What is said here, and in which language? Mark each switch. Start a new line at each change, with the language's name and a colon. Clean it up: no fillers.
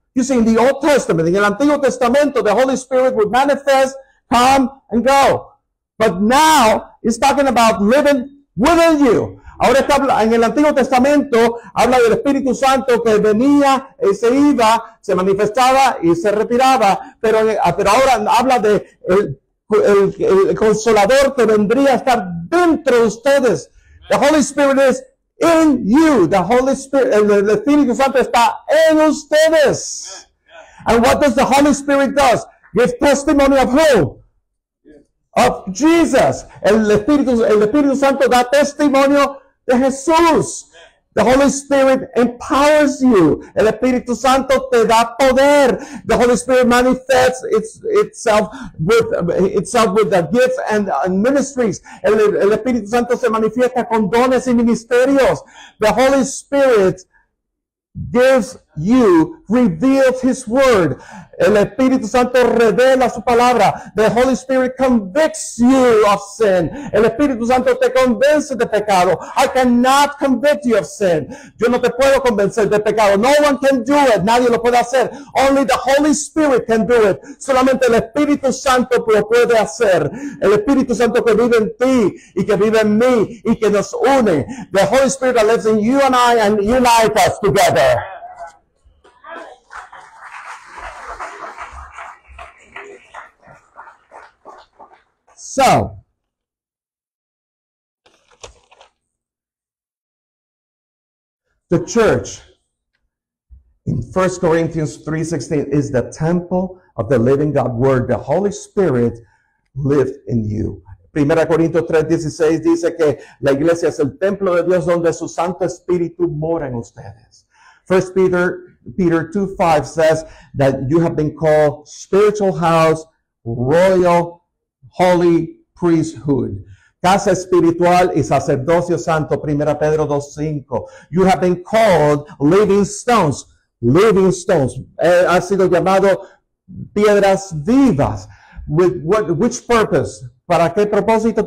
English: You see, in the Old Testament, in
Spanish: el Antiguo Testamento,
English: the Holy Spirit would manifest, come and go. But now, it's talking about living within you.
Spanish: Ahora está en el Antiguo Testamento, habla del Espíritu Santo que venía y se iba, se manifestaba y se retiraba, pero ahora habla de el Consolador que vendría a estar dentro de ustedes.
English: The Holy Spirit is in you. The Holy Spirit,
Spanish: el Espíritu Santo está en ustedes.
English: And what does the Holy Spirit does? Give testimony of who? Of Jesus.
Spanish: El Espíritu Santo da testimonio de Jesús.
English: The Holy Spirit empowers you.
Spanish: El Espíritu Santo te da poder.
English: The Holy Spirit manifests itself with the gifts and ministries.
Spanish: El Espíritu Santo se manifiesta con dones y ministerios.
English: The Holy Spirit gives you, reveals His Word.
Spanish: El Espíritu Santo revela su palabra.
English: The Holy Spirit convicts you of sin.
Spanish: El Espíritu Santo te convence de pecado.
English: I cannot convict you of sin.
Spanish: Yo no te puedo convencer de pecado.
English: No one can do it.
Spanish: Nadie lo puede hacer.
English: Only the Holy Spirit can do it.
Spanish: Solamente el Espíritu Santo lo puede hacer. El Espíritu Santo que vive en ti y que vive en mí y que nos une.
English: The Holy Spirit lives in you and I and unites us together. So, the church in 1 Corinthians 3:16 is the temple of the living God, where the Holy Spirit lived in you.
Spanish: 1 Corinthians 3:16 dice que la iglesia es el templo de Dios donde su Santo Espíritu mora en ustedes.
English: 1 Peter 2:5 says that you have been called spiritual house, royal, holy priesthood,
Spanish: casa espiritual y sacerdocio santo,
English: 1 Pedro 2:5. You have been called living stones.
Spanish: Ha sido llamado piedras vivas.
English: With what? Which purpose?
Spanish: ¿Para qué propósito?